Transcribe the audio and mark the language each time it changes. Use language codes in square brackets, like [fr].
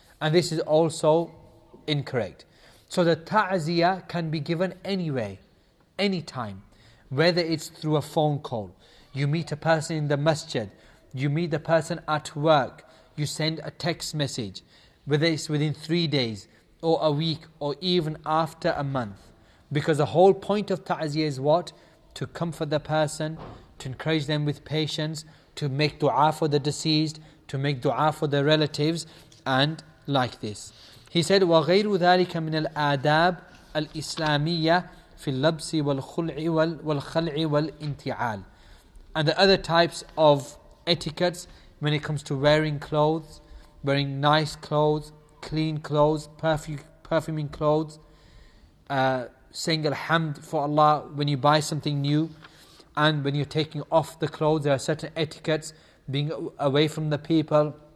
[en] And this is also incorrect. So the ta'ziyah can be given anyway, anytime, whether it's through a phone call, you meet a person in the masjid, you meet the person at work, you send a text message, whether it's within 3 days, or a week, or even after a month. Because the whole point of ta'ziyah is what? To comfort the person, to encourage them with patience, to make dua for the deceased, to make dua for their relatives, and like this. He He said, [ar] وَغَيْرُ ذَلِكَ مِنَ الْآدَابِ الْإِسْلَامِيَّةِ فِي اللَّبْسِ وَالْخُلْعِ وَالْإِنْتِعَالِ. [en] And the other types of etiquettes when it comes to wearing clothes, wearing nice clothes, clean clothes, perfuming clothes, saying alhamd for Allah when you buy something new, and when you're taking off the clothes, there are certain etiquettes, being away from the people,